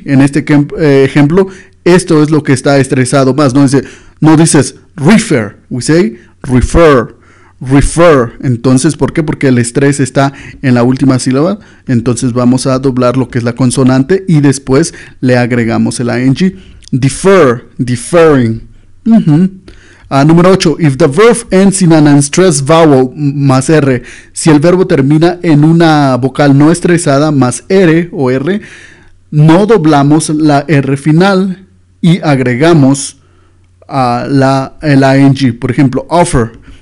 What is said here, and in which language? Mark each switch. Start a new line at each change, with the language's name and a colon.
Spanish: En este ejemplo, esto es lo que está estresado más, ¿no? Dice, no dices
English: refer, we say refer, refer.
Spanish: Entonces, ¿por qué? Porque el estrés está en la última sílaba. Entonces vamos a doblar lo que es la consonante y después le agregamos el ing.
English: Defer, deferring.
Spanish: Número 8,
English: if the verb ends in an unstressed vowel
Spanish: más R, si el verbo termina en una vocal no estresada más R o R, no doblamos la R final y agregamos el ing. Por ejemplo, offer.